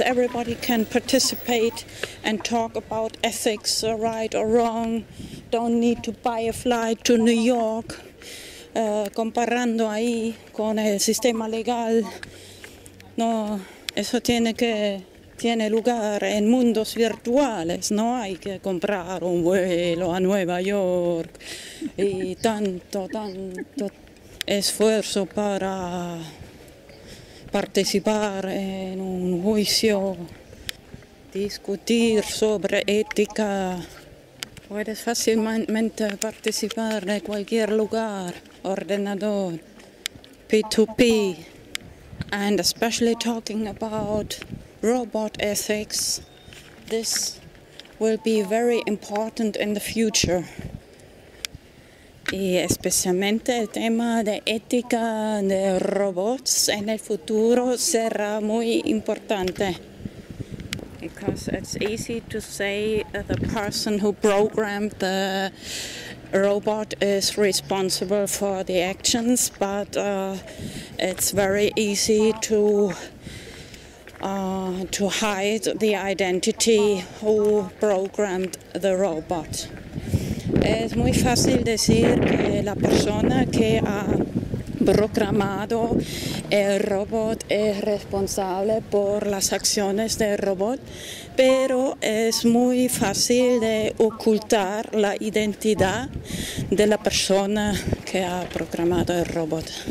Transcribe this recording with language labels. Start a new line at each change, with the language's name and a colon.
English: Everybody can participate and talk about ethics, right or wrong. Don't need to buy a flight to New York.
Spanish: Comparando ahí con el sistema legal, no, eso tiene lugar en mundos virtuales. No hay que comprar un vuelo a Nueva York y tanto esfuerzo para participar en un juicio, discutir sobre ética. Puedes fácilmente participar en cualquier lugar, ordenador, P2P,
English: and especially talking about robot ethics, this will be very important in the future.
Spanish: Y especialmente el tema de ética de robots en el futuro será muy importante.
English: Because it's easy to say the person who programmed the robot is responsible for the actions, but it's very easy to hide the identity who programmed the robot.
Spanish: Es muy fácil decir que la persona que ha programado el robot es responsable por las acciones del robot, pero es muy fácil de ocultar la identidad de la persona que ha programado el robot.